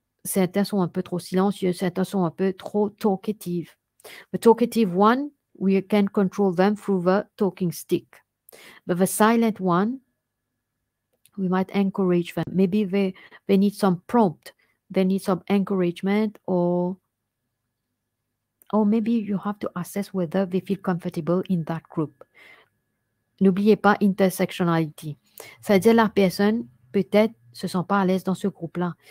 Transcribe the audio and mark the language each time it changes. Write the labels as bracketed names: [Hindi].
[French] Certains sont un peu trop silencieux, certains sont un peu trop talkative. [English] The talkative one, we can control them through the talking stick. But the silent one, we might encourage them. Maybe they need some prompt. They need some encouragement or maybe you have to assess whether they feel comfortable in that group. [French] N'oubliez pas intersectionality. C'est-à-dire la personne peut-être se sent pas à l'aise dans ce groupe-là.